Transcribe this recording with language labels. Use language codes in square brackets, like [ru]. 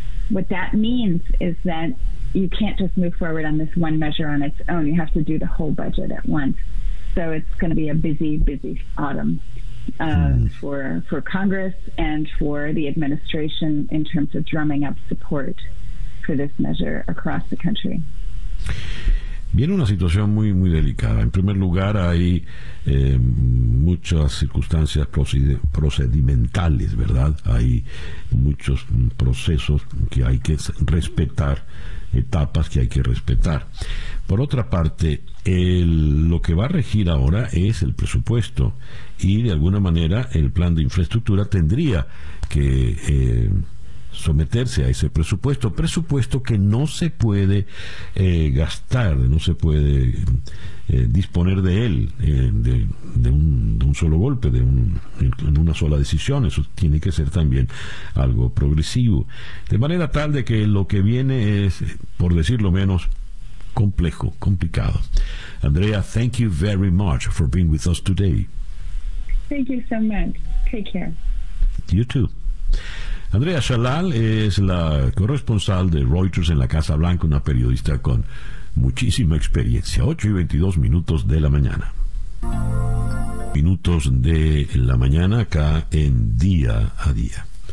[en] What that means is that you can't just move forward on this one measure on its own. You have to do the whole budget at once. So it's going to be a busy, busy autumn for Congress and for the administration in terms of drumming up support for this measure across the country. [es] Viene una situación muy, muy delicada. En primer lugar, hay muchas circunstancias procedimentales, ¿verdad? Hay muchos procesos que hay que respetar, etapas que hay que respetar. Por otra parte, lo que va a regir ahora es el presupuesto y, de alguna manera, el plan de infraestructura tendría que someterse a ese presupuesto, presupuesto que no se puede gastar, no se puede disponer de él de un solo golpe, en una sola decisión. Eso tiene que ser también algo progresivo, de manera tal de que lo que viene es, por decirlo menos, complejo, complicado. [en] Andrea, thank you very much for being with us today. Thank you so much. Take care. You too. [es] Andrea Shalal es la corresponsal de Reuters en la Casa Blanca, una periodista con muchísima experiencia. 8:22 de la mañana. Minutos de la mañana acá en Día a Día.